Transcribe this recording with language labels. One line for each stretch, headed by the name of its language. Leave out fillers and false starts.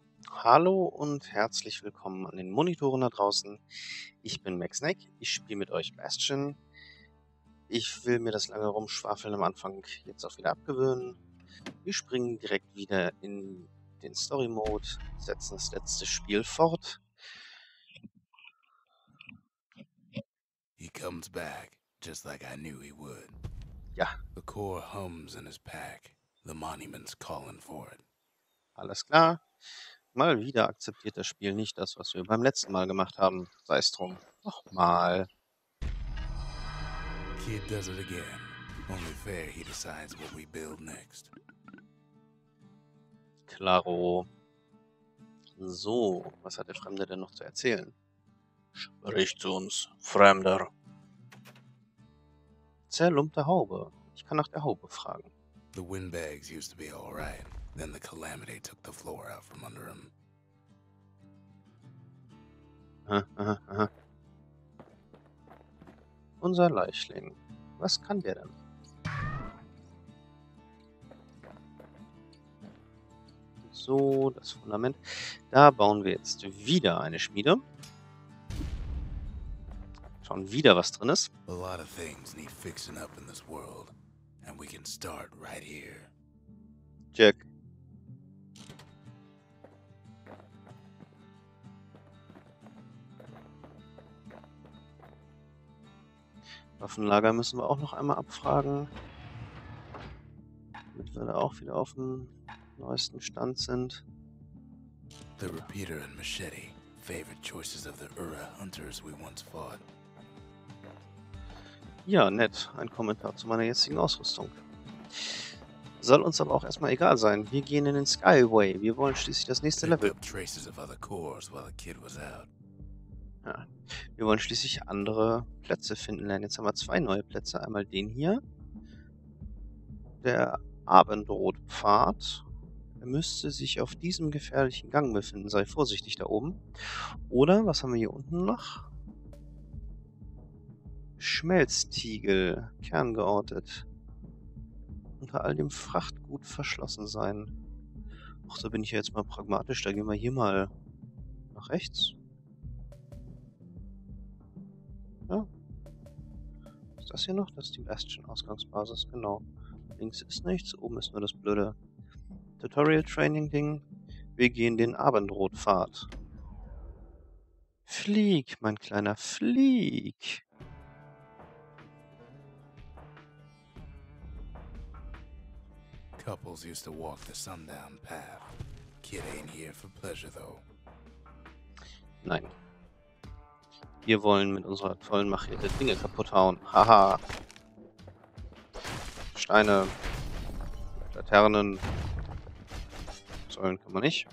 German: Hallo und herzlich willkommen an den Monitoren da draußen. Ich bin MaxNack, ich spiele mit euch Bastion. Ich will mir das lange Rumschwafeln am Anfang jetzt auch wieder abgewöhnen. Wir springen direkt wieder in den Story-Mode, setzen das letzte Spiel fort.
English: He comes back, just like I knew he would.
German: Ja.
English: The core hums in his pack, the monument's calling for it.
German: Alles klar. Mal wieder akzeptiert das Spiel nicht das, was wir beim letzten Mal gemacht haben. Sei es drum. Nochmal.
English: Kid does it again. Only fair he decides what we build next.
German: Klaro. So, was hat der Fremde denn noch zu erzählen? Sprich zu uns, Fremder. Zerlumpte Haube. Ich kann nach der Haube fragen.
English: The windbags used to be all right. Then the Calamity took the floor out from under him.
German: Aha. Unser Leichling. Was kann der denn? So, das Fundament. Da bauen wir jetzt wieder eine Schmiede. Schauen wieder, was drin ist.
English: A lot of things need fixing up in this world. And we can start right here.
German: Check. Waffenlager müssen wir auch noch einmal abfragen. Damit wir da auch wieder auf dem neuesten Stand sind.
English: The repeater and machete, favorite choices of the Ura hunters we once fought.
German: Ja, nett. Ein Kommentar zu meiner jetzigen Ausrüstung. Soll uns aber auch erstmal egal sein. Wir gehen in den Skyway. Wir wollen schließlich das nächste Level.
English: Traces of other cores while the kid was out.
German: Ja. Wir wollen schließlich andere Plätze finden lernen. Jetzt haben wir zwei neue Plätze. Einmal den hier. Der Abendrotpfad. Er müsste sich auf diesem gefährlichen Gang befinden. Sei vorsichtig da oben. Oder, was haben wir hier unten noch? Schmelztiegel. Kerngeortet. Unter all dem Frachtgut verschlossen sein. Och, da bin ich ja jetzt mal pragmatisch. Da gehen wir hier mal nach rechts. Ist das hier noch? Das ist die Bastion-Ausgangsbasis, genau. Links ist nichts, oben ist nur das blöde Tutorial-Training-Ding. Wir gehen den Abendrotpfad. Flieg, mein kleiner, flieg!
English: Couples used to walk the sundown path. Kid ain't here for pleasure, though.
German: Nein. Wir wollen mit unserer tollen Machete Dinge kaputt hauen. Haha. Steine. Laternen. Säulen können wir nicht.